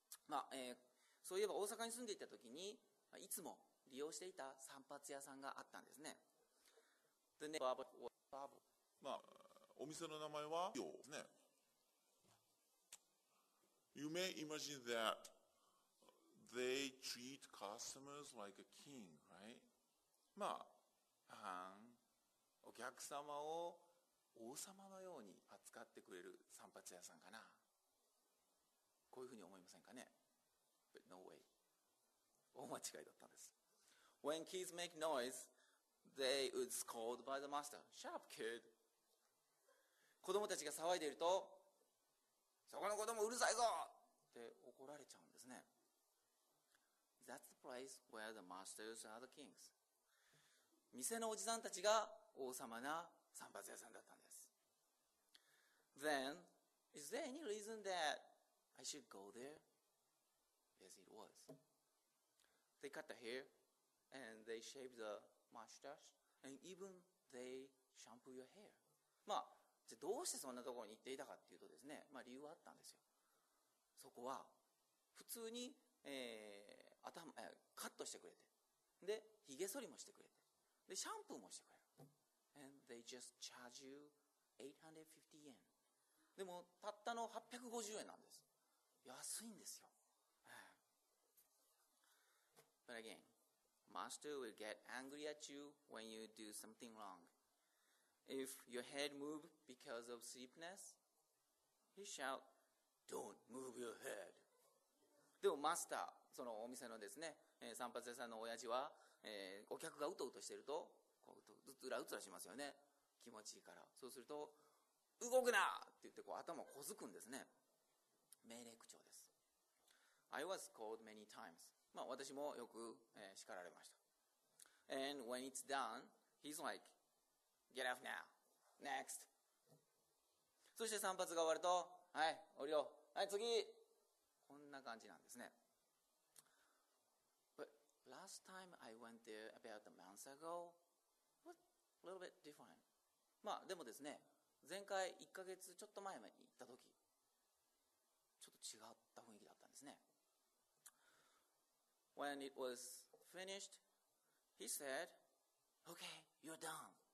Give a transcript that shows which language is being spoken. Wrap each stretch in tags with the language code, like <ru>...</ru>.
<ja>まあ、そういえば大阪に住んでいた時にいつも利用していた散髪屋さんがあったんですね。</ja> <en>The name barber was barber.</en> <ja>まあ、お店の名前は美容ですね。</ja> <en>You may imagine that they treat customers like a king, right?</en> <ja>まあ、お客様を王様のように扱ってくれる散髪屋さんかな。こういうふうに思いませんかね。</ja> <en>But no way.</en> <ja>大間違いだったんです。</ja> <en>When kids make noise, they would scold by the master. Shut up, kid.</en> <ja>子供たちが騒いでいると、そこの子供うるさいぞって怒られちゃうんですね。</ja> <en>That's the place where the masters are the kings.</en> <ja>店のおじさんたちが王様な散髪屋さんだったんです。</ja> <en>Then, is there any reason that I should go there? Yes, it was. They cut the hair, and they shaved the mustache, and even they shampoo your hair.</en> <ja>まあ、じゃあどうしてそんなところに行っていたかっていうとですね、まあ、理由はあったんですよ。そこは普通に、カットしてくれて、で、ひげ剃りもしてくれて、で、シャンプーもしてくれる。</ja> <en>And they just charge you 850 yen.</en> <ja>でも、たったの850円なんです。安いんですよ。</ja> <en>But again, master will get angry at you when you do something wrong. If your head moves because of sleepness, he shout, don't move your head.</en> <ja>でも、マスター、そのお店のですね、散髪屋さんの親父は、お客がうとうとしているとこううつらうつらしますよね、気持ちいいから。そうすると動くなって言ってこう頭をこずくんですね、命令口調です。</ja> <en>I was called many times、</en> <ja>まあ、私もよく、叱られました。</ja> <en>And when it's done he's like get off now next。</en> <ja>そして散髪が終わると、はい降りよう、はい次、こんな感じなんですね。</ja> <en>Last time I went there about a month ago, was a little bit different.</en> <ja>まあでもですね、前回1ヶ月ちょっと前に行った時、ちょっと違った雰囲気だったんですね。</ja> <en>When it was finished, he said, "Okay, you're done.</en>